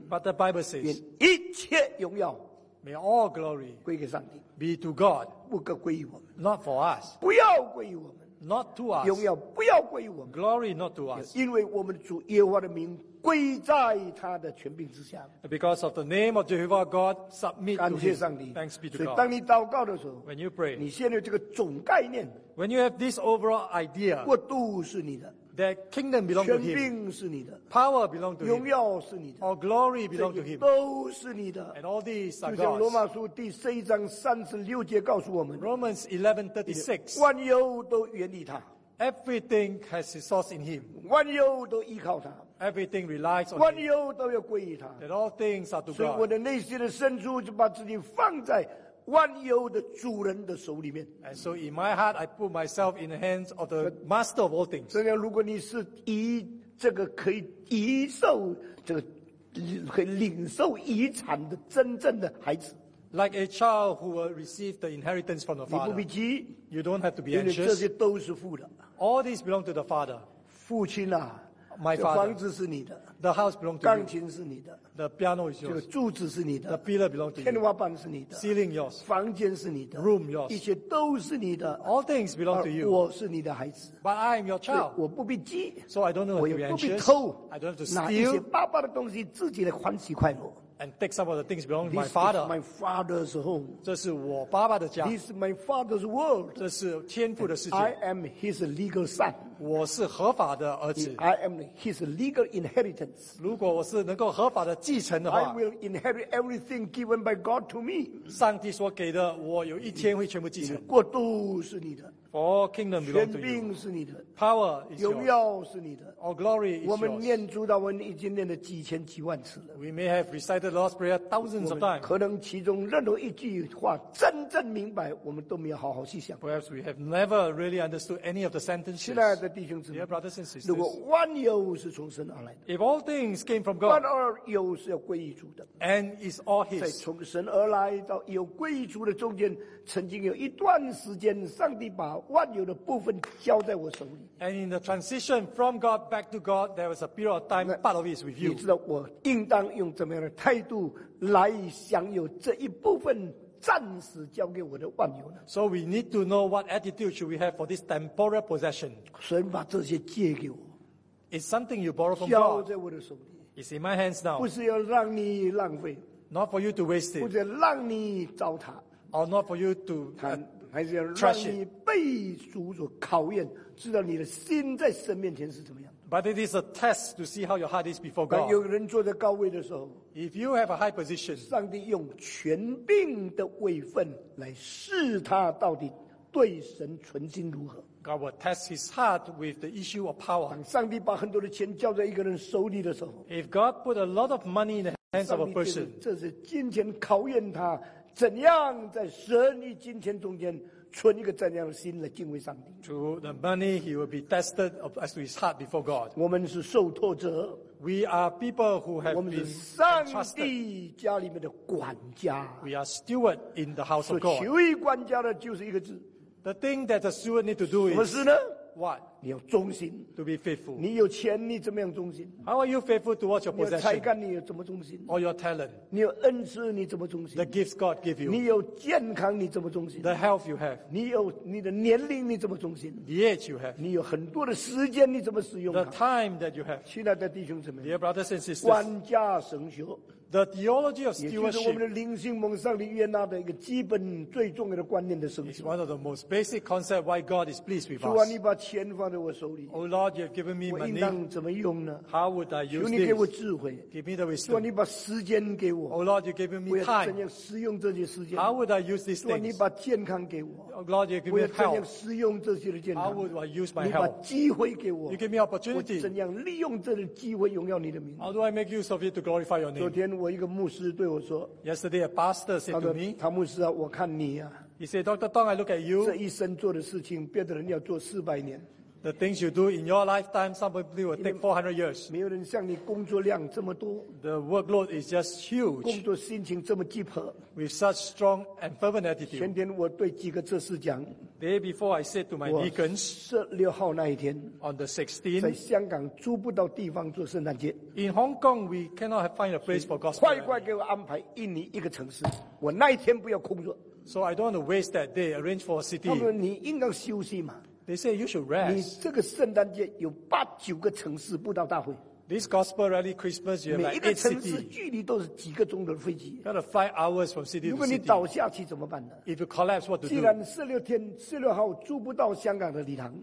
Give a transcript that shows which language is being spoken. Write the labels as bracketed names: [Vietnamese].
[English] ？But the Bible says, [Chinese] 愿一切荣耀 [English] ，May all glory [Chinese] 归给上帝 [English] ，Be to God， [Chinese] 不可归于我们 [English] ，Not for us， [Chinese] 不要归于我们。 [English] Not to us. [Chinese] 荣耀不要归于我们。 [English] Glory not to us. [Chinese] 因为我们主耶和华的名归在他的权柄之下。 [English] Because of the name of Jehovah God, submit to him. [Chinese] 感谢上帝。 [English] Thanks be to God. [Chinese] 所以当你祷告的时候 [English] ，When you pray, [Chinese] 你现在这个总概念 [English] ，When you have this overall idea, [Chinese] 国度是你的 [English] ，That kingdom belongs to him. [Chinese] 权柄是你的 [English] ，Power belongs to him. [Chinese] 荣耀是你的 [English] ，Or glory belongs to him. [Chinese] 都是你的 [English] ，And all these are God's. [Chinese] 就像罗马书第十一章三十六节告诉我们 [English] ，Romans 11:36, [Chinese] 万有都源于他。 [English] Everything has its source in him. [Chinese] 万有都依靠他。 [English] Everything relies on him. [Chinese] 万有都要归于他。 [English] That all things are to God. [Chinese] 所以我的内心的深处就把自己放在万有的主人的手里面。 [English] And so in my heart, I put myself in the hands of the master of all things. [Chinese] 所以如果你是以这个可以遗受这个可以领受遗产的真正的孩子。 [English] Like a child who will receive the inheritance from the father. [Chinese] 你不必急。 [English] You don't have to be anxious. [Chinese] 因为这些都是父的。 [English] All these belong to the father. [Chinese] 父亲啊。 [English] My father. [Chinese] 这房子是你的。 [English] The house belongs to you. [Chinese] 钢琴是你的。 [English] The piano is yours. [Chinese] 这个柱子是你的。 [English] The pillar belongs to you. [Chinese] 天花板是你的。 [English] Ceiling yours. [Chinese] 房间是你的。 [English] Room yours. [Chinese] 一切都是你的。 [English] All things belong to you. [Chinese] 我是你的孩子。 [English] But I am your child. [Chinese] 我不必急。 [English] So I don't know what to be anxious. [Chinese] 我也不必偷。 [English] I don't have to steal. [Chinese] 拿一些爸爸的东西自己来欢喜快乐。 [English] And take some of the things belonging to my father. This is my father's home. [Chinese] 这是我爸爸的家。 [English] This is my father's world. [Chinese] 这是天父的世界。 [English] I am his legal son. [Chinese] 我是合法的儿子。 [English] I am his legal inheritance. [Chinese] 如果我是能够合法的继承的话。 [English] I will inherit everything given by God to me. [Chinese] 上帝所给的，我有一天会全部继承。国度是你的。 [English] For all kingdom belongs to you. [Chinese] 权柄是你的。 [English] Power is yours. [Chinese] 荣耀是你的。 [English] All glory is yours. [Chinese] 我们念主祷文已经念了几千几万次了。 [English] We may have recited the Lord's Prayer thousands of times. [Chinese] 可能其中任何一句话真正明白，我们都没有好好去想。 [English] Perhaps we have never really understood any of the sentences. [Chinese] 亲爱的弟兄姊妹 [English] ，Dear brothers and sisters, [Chinese] 如果万有是从神而来的 [English] ，If all things came from God, [Chinese] 万有是要归于主的 [English] ，And is all His. [Chinese] 在从神而来到有归于主的中间，曾经有一段时间，上帝把万有的部分交在我手里。 [English] And in the transition from God back to God, there was a period of time part of it is with you. [Chinese] 你知道我应当用怎么样的态度来享有这一部分暂时交给我的万有呢 [English] ？So we need to know what attitude should we have for this temporal possession. [Chinese] 神把这些借给我。 [English] It's something you borrow from God. [Chinese] 交在我的手里。 [English] It's in my hands now. [Chinese] 不是要让你浪费。 [English] Not for you to waste it. [Chinese] 不是让你糟蹋。 [English] Or not for you to. [Chinese] 还是要让你被主所考验，知道你的心在神面前是怎么样。 [English] But it is a test to see how your heart is before God. [Chinese] 有人坐在高位的时候 [English] ，If you have a high position, [Chinese] 上帝用权柄的位分来试他到底对神存心如何。 [English] God will test his heart with the issue of power. [Chinese] 当上帝把很多的钱交在一个人手里的时候 [English] ，If God put a lot of money in the hands of a person, [Chinese] 这是金钱考验他。怎样在神与金钱中间存一个怎样的心来敬畏上帝 [English] ？Through the money, he will be tested as to his heart before God. [Chinese] 我们是受托者。 [English] We are people who have been entrusted. [Chinese] 我们是上帝家里面的管家。 [English] We are steward in the house of God. [Chinese] 所求于管家的就是一个字。 [English] The thing that the steward need to do is [Chinese] 什么事呢 [English] ？What？ [Chinese] 你要忠心。 [English] To be faithful. [Chinese] 你有钱，你怎么样忠心 [English] ？How are you faithful towards your possession？ [Chinese] 你有才干，你有怎么忠心 [English] ？Or your talent？ [Chinese] 你有恩赐，你怎么忠心 [English] ？The gifts God give you。 [Chinese] 你有健康，你怎么忠心 [English] ？The health you have。 [Chinese] 你有你的年龄，你怎么忠心 [English] ？The age you have。 [Chinese] 你有很多的时间，你怎么使用 [English] ？The time that you have。 [Chinese] 亲爱的弟兄姊妹 [English] ，Dear brothers and sisters， [Chinese] 管家神学。 [English] The theology of stewardship. [Chinese] 也就是我们的灵性蒙上帝悦纳的一个基本最重要的观念的圣经。 [English] It's one of the most basic concept why God is pleased with us. [Chinese] 主啊，你把钱放在我手里。 [English] Oh Lord, you have given me money. [Chinese] 我应当怎么用呢 [English] ？How would I use this? [Chinese] 求你给我智慧。 [English] Give me the wisdom. [Chinese] 主啊，你把时间给我。 [English] Oh Lord, you have given me time. [Chinese] 我要怎样使用这些时间 [English] ？How would I use these things? [Chinese] 主啊，你把健康给我。 [English] Oh Lord, you have given me health. [Chinese] 我要怎样使用这些的健康 [English] ？How would I use my health? [Chinese] 你把机会给我。 [English] You give me opportunity. [Chinese] 我怎样利用这个机会荣耀你的名 [English] ？How do I make use of it to glorify your name? [Chinese] 昨天。我一个牧师对我说 [English] ，Yesterday a pastor said to me， [Chinese] 唐牧师啊，我看你啊 [English] ，He said, Doctor Tong, I look at you， [Chinese] 这一生做的事情，别的人要做四百年。 [English] The things you do in your lifetime, somebody will take 400 years. [Chinese] 没有人像你工作量这么多。 [English] The workload is just huge. [Chinese] 工作心情这么急迫。 [English] With such strong and fervent attitude. [Chinese] 前天我对几个执事讲。 [English] Day before I said to my deacons. [Chinese] 16号那一天。 [English] On the 16th. [Chinese] 在香港租不到地方做圣诞节。 [English] In Hong Kong, we cannot find a place for gospel. [Chinese] 快快给我安排印尼一个城市。我那一天不要工作。 [English] So I don't want to waste that day, arrange for a city. [Chinese] 他们说你应该休息嘛。 [English] They say you should rest. [Chinese] 你这个圣诞节有八九个城市布道大会。 [English] This gospel rally Christmas, you have like [Chinese] 每一个城市距离都是几个钟头的飞机。 [English] Got 5 hours from city to city. [Chinese] 如果你倒下去怎么办呢 [English] ？If you collapse, what to do? [Chinese] 既然十六天十六号租不到香港的礼堂